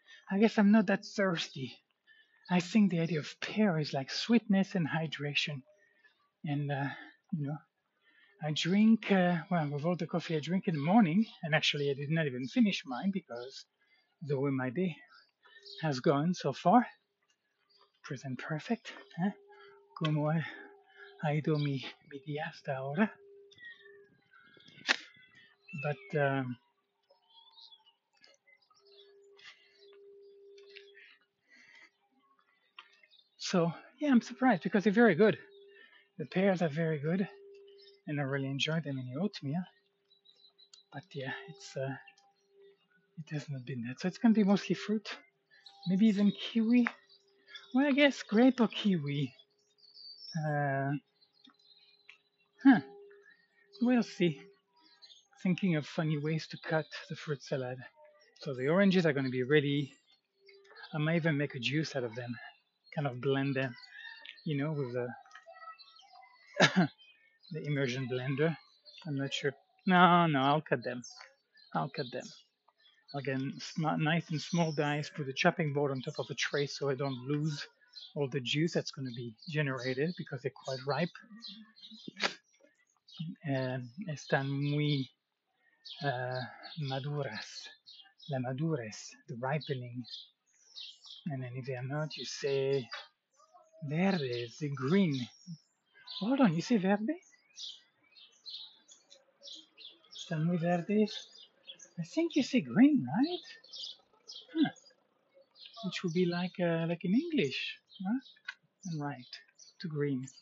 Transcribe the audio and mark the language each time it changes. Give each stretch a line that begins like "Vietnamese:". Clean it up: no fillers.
English: I guess I'm not that thirsty. I think the idea of pear is like sweetness and hydration. And, you know, I drink, with all the coffee I drink in the morning, and actually I did not even finish mine because the way my day has gone so far, present perfect, huh?
Spanish: Como ha ido mi día hasta ahora.
English: But, so, yeah, I'm surprised because they're very good. The pears are very good, and I really enjoy them in the oatmeal. But, yeah, it has not been that. So it's going to be mostly fruit, maybe even kiwi. Well, I guess grape or kiwi. We'll see. Thinking of funny ways to cut the fruit salad. So the oranges are going to be ready. I might even make a juice out of them. Kind of blend them, you know, with the the immersion blender. I'm not sure. No, I'll cut them. Again, nice and small dice, put a chopping board on top of the tray so I don't lose all the juice that's going to be generated because they're quite ripe.
Spanish: And están muy maduras, la madurez,
English: the ripening. And then if they are not, you say verde, the green. Hold on, you say verde?
Spanish: Están muy verdes.
English: I think you say green, right? Huh. Which would be like in English, huh? Right, to green.